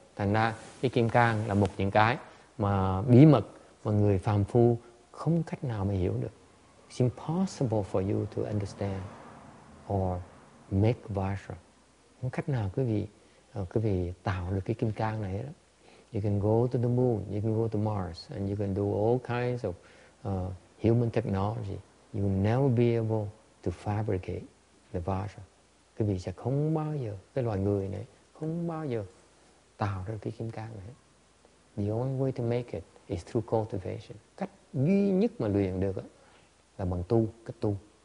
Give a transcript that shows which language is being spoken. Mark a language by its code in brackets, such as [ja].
[vi] Thành ra cái kim cang là một những cái mà bí mật mà người phàm phu không cách nào mà hiểu được. [en] It's impossible for you to understand or make Vajra. [vi] Không cách nào quý vị tạo được cái kim cang này đó. [en] You can go to the moon, you can go to Mars, and you can do all kinds of human technology. You will never be able to fabricate the Vajra. [vi] Quý vị sẽ không bao giờ, cái loài người này, không bao giờ tạo ra cái kim cang này. [en] The only way to make it is through cultivation. [vi] Cách duy nhất mà luyện được đó, là bằng tu, cách tu.